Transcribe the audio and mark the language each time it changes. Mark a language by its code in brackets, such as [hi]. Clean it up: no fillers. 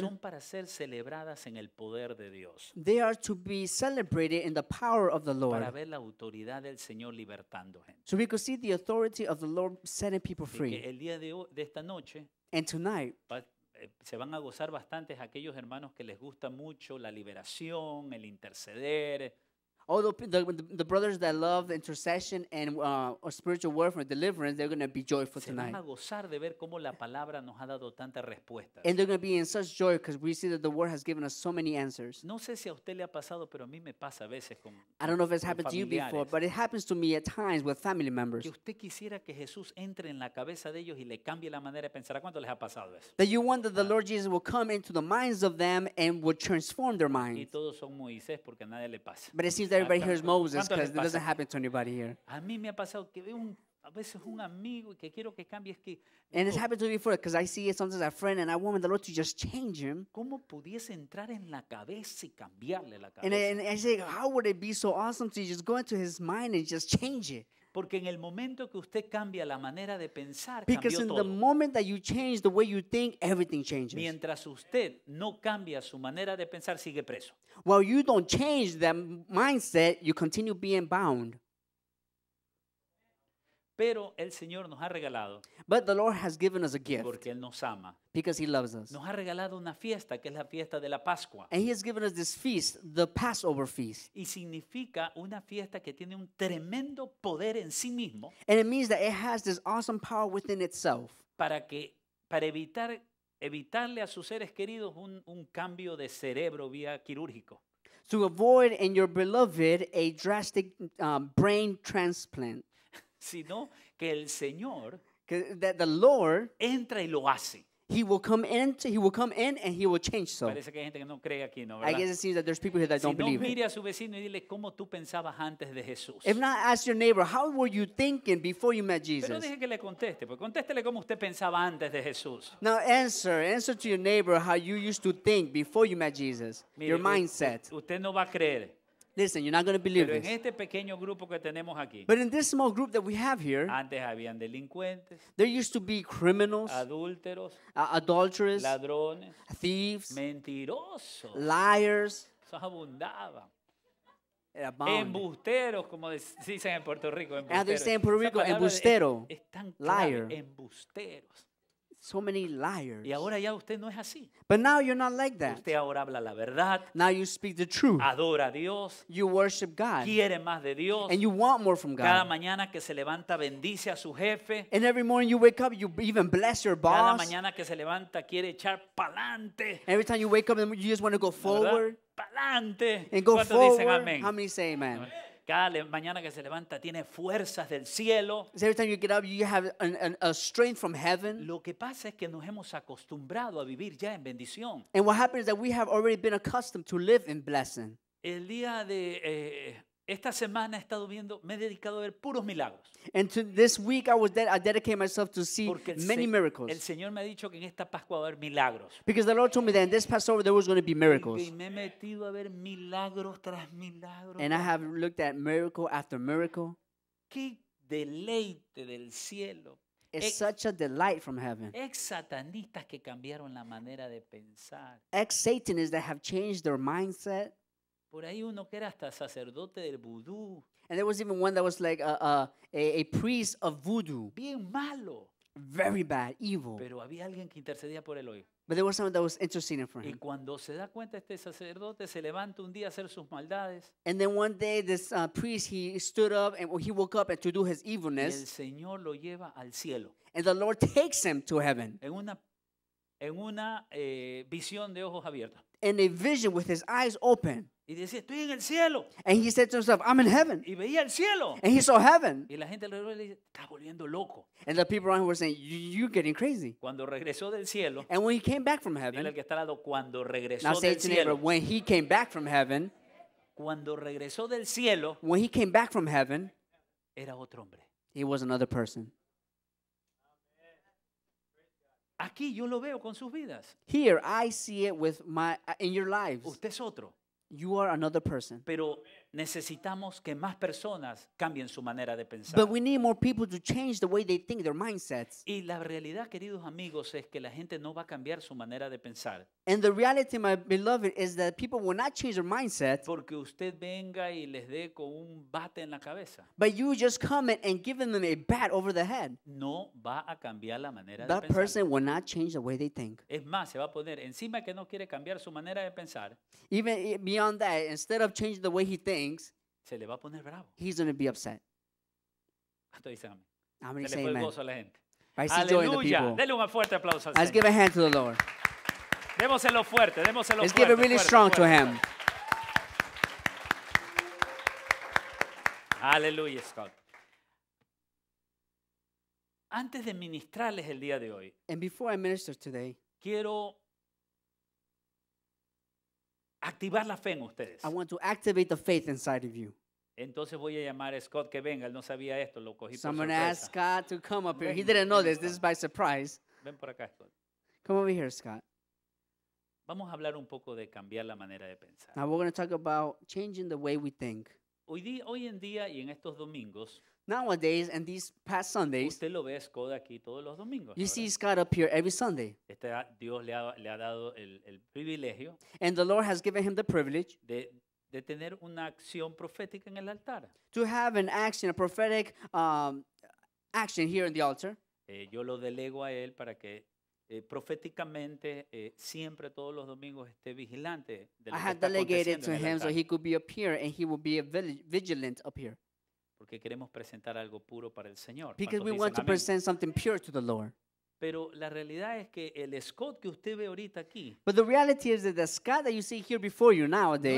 [es] son para ser celebradas en el poder de Dios, [en] they are to be celebrated in the power of the Lord, [es] para ver la autoridad del Señor libertando gente. [en] So we could see the authority of the Lord setting people free. [es] Y que el día de esta noche, [en] and tonight, [es] se van a gozar bastantes aquellos hermanos que les gusta mucho la liberación, el interceder. [en] All the brothers that love intercession and spiritual warfare deliverance, they're going to be joyful [es] se [en] tonight. [es] Van a gozar de ver cómo la palabra nos ha dado tantas respuestas. [en] And they're going to be in such joy because we see that the word has given us so many answers. [es] No sé si a usted le ha pasado, pero a mí me pasa a veces con familiares. [en] I don't know if it's happened to you before, but it happens to me at times with family members. [es] Que usted quisiera que Jesús entre en la cabeza de ellos y le cambie la manera de pensar. ¿A cuánto les ha pasado eso? [en] That you want that the Lord Jesus will come into the minds of them and will transform their minds. [es] Y todos son Moisés porque nadie le pasa. [en] But it seems that everybody hears Moses because it doesn't happen to anybody here. [es] A mí me ha pasado que veo a veces un amigo y que quiero que cambie, es que. [en] And it's happened to me before because I see sometimes a friend and I want the Lord to just change him. [es] ¿Cómo pudiese entrar en la cabeza y cambiarle la cabeza? [en] And I say, how would it be so awesome to just go into his mind and just change it? [es] Porque en el momento que usted cambia la manera de pensar, [en] because [es] cambió [en] in [es] todo. [en] The moment that you change the way you think, everything changes. [es] Mientras usted no cambia su manera de pensar, sigue preso. [en] While you don't change that mindset, you continue being bound. [es] Pero el Señor nos ha regalado. [en] But the Lord has given us a gift. [es] Porque Él nos ama. [en] Because He loves us. [es] Nos ha regalado una fiesta, que es la fiesta de la Pascua. [en] And He has given us this feast, the Passover feast. [es] Y significa una fiesta que tiene un tremendo poder en sí mismo. [en] And it means that it has this awesome power within itself. [es] Para evitarle a sus seres queridos un cambio de cerebro vía quirúrgico. [en] To avoid in your beloved a drastic brain transplant. [es] Sino que el Señor, [en] that the Lord, [es] entra y lo hace. [en] He will come in and he will change so. [es] Parece que hay gente que no cree aquí, ¿no? ¿Verdad? [en] I guess it seems that there's people here that [es] si [en] don't [es] no [en] believe. [es] Si no, mire a su vecino y dile cómo tú pensabas antes de Jesús. [en] If not, ask your neighbor how were you thinking before you met Jesus. [es] Pero deje que le conteste, pues contéstele cómo usted pensaba antes de Jesús. [en] Now answer to your neighbor how you used to think before you met Jesus. [es] Mire, [en] your mindset. [es] Usted no va a creer. [en] Listen, you're not going to believe [es] pero en [en] this. [es] Este pequeño grupo que tenemos aquí, [en] but in this small group that we have here, [es] antes habían delincuentes, [en] there used to be criminals, [es] adúlteros, [en] adulterers, [es] ladrones, [en] thieves, [es] mentirosos, [en] liars, [es] eso abundaba. Embusteros, como dicen en Puerto Rico, embusteros. [en] As they say in Puerto Rico, embustero, liar, [es] embusteros. [en] So many liars. [es] Y ahora ya usted no es así. [en] But now you're not like that. [es] Usted ahora habla la verdad. [en] Now you speak the truth. [es] Adora a Dios. [en] You worship God. [es] Quiere más de Dios. [en] And you want more from God. [es] Cada mañana que se levanta bendice a su jefe. [en] And every morning you wake up, you even bless your boss. [es] Cada mañana que se levanta quiere echar pa'lante. [en] Every time you wake up, you just want to go forward. [es] Pa'lante. [en] And go forward. [es] ¿Cuántos dicen amén? [en] How many say amen? Amen. [es] Cada mañana que se levanta tiene fuerzas del cielo. [en] So every time you get up, you have a strength from heaven. [es] Lo que pasa es que nos hemos acostumbrado a vivir ya en bendición. [en] And what happens is that we have already been accustomed to live in blessing. [es] El día de esta semana he estado viendo, me he dedicado a ver puros milagros. [en] And to this week I dedicated myself to see many miracles. [es] El Señor me ha dicho que en esta Pascua va a haber milagros. [en] Because the Lord told me that in this Passover there was going to be miracles. [es] Y me he metido a ver milagros tras milagros. [en] And I have looked at miracle after miracle. [es] Qué deleite del cielo. [en] It's such a delight from heaven. [es] Ex-satanistas que cambiaron la manera de pensar. [en] Ex-satanists that have changed their mindset. [es] Por ahí uno que era hasta sacerdote del vudú. [en] And there was even one that was like a priest of voodoo. [es] Bien malo. [en] Very bad, evil. [es] Pero había alguien que intercedía por él hoy. [en] But there was someone that was interceding for him. [es] Y cuando se da cuenta este sacerdote se levanta un día a hacer sus maldades. [en] And then one day this priest he stood up and he woke up and to do his evilness. [es] Y el Señor lo lleva al cielo. [en] And the Lord takes him to heaven. [es] En una en una visión de ojos abiertos. [en] In a vision with his eyes open. [es] Y decía, estoy en el cielo. [en] And he said to himself, I'm in heaven. [es] Y veía el cielo. [en] And he saw heaven. [es] Y la gente alrededor le dice, estás volviendo loco. [en] And the people around him were saying, you're getting crazy. [es] Cuando regresó del cielo. [en] And when he came back from heaven. [es] Mira el que está al lado, cuando regresó [en] now say [es] del [en] to neighbor, [es] cielo. [en] When he came back from heaven. [es] Cuando regresó del cielo. [en] When he came back from heaven. [es] Era otro hombre. [en] He was another person. [es] Aquí yo lo veo con sus vidas. [en] Here I see it with my in your lives. [es] Usted es otro. [en] You are another person. [es] Pero necesitamos que más personas cambien su manera de pensar. [en] But we need more people to change the way they think, their mindsets. [es] Y la realidad, queridos amigos, es que la gente no va a cambiar su manera de pensar. [en] And the reality, my beloved, is that people will not change their mindset. [es] Porque usted venga y les dé con un bate en la cabeza. [en] But you just come and give them a bat over the head. [es] No va a cambiar la manera [en] that [es] de pensar. [en] That person will not change the way they think. [es] Es más, se va a poner encima que no quiere cambiar su manera de pensar. [en] Even beyond that, instead of changing the way he thinks, [es] se le va a poner bravo. [en] He's going to be upset. I'm going to say amen. I see joy in the people. Let's give a hand to the Lord. Let's give it really strong to him. Hallelujah, Scott. [es] Antes de ministrarles el día de hoy, [en] and before I minister today, [es] quiero activar la fe en ustedes. [en] I want to activate the faith inside of you. [es] Entonces voy a llamar a Scott que venga. Él no sabía esto, lo cogí por sorpresa. [en] So I'm going to ask Scott to come up here. He didn't know this. This is by surprise. [es] Ven por acá, Scott. [en] Come over here, Scott. [es] Vamos a hablar un poco de cambiar la manera de pensar. [en] Now we're going to talk about changing the way we think. [es] Hoy en día y en estos domingos. [en] Nowadays and these past Sundays. [es] Usted lo ve a Scott aquí todos los domingos. [en] You see Scott up here every Sunday. [es] Dios le ha dado el privilegio. [en] And the Lord has given him the privilege. [es] De tener una acción profética en el altar. [en] To have an action, a prophetic action here in the altar. [es] Yo lo delego a él para que proféticamente siempre todos los domingos esté vigilante. [en] I have delegated to him so he could be up here and he will be vigilant up here. [es] Porque queremos presentar algo puro para el Señor. [en] Because we want to present something pure to the Lord. [es] Pero la realidad es que el Scott que usted ve ahorita aquí. [en] But the reality is that the Scott that you see here before you nowadays.